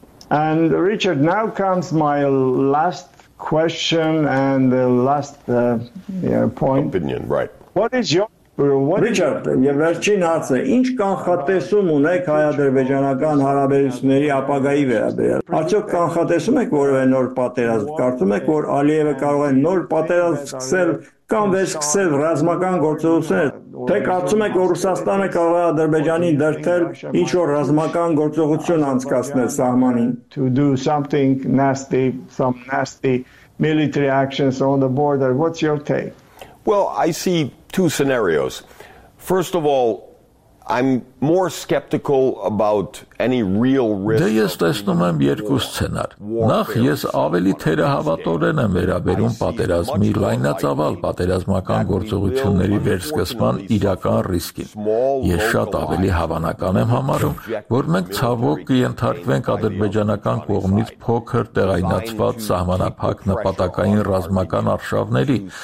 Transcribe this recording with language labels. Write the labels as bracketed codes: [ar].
[en] And Richard, now comes my last question and the last point. Opinion, right. What is your... What [hy] Richard, եւ վերջին հարցը, ինչ կանխատեսում ունեք հայ-ադրբեջանական հարաբերությունների ապագայի վերաբերյալ։ Արդյոք կանխատեսում եք որևէ նոր պատերազմ, կարծում եք, որ Ալիևը կարող է նոր պատերազմ սկսել կամ վերսկսել ռազմական գործողություններ, թե կարծում եք, որ Ռուսաստանը կարող է Ադրբեջանին դրդել ինչ-որ ռազմական գործողություն անցկացնել սահմանին, [en] to do something nasty, some nasty military actions on the border? What's your take? Well, I see two scenarios. First of all, I'm more skeptical about any real risk. [hy] Դե ես տեսնում եմ երկու սցենար։ Նախ ես ավելի թերահավատորեն եմ վերաբերում պատերազմի լայնածավալ պատերազմական գործողությունների վերսկսման իրական ռիսկին։ Ես շատ ավելի հավանական եմ համարում, որ մենք ցավոք կընդարկվենք ադրբեջանական կողմից փոքր տեղայնացված սահմանափակ նպատակային ռազմական արշավների,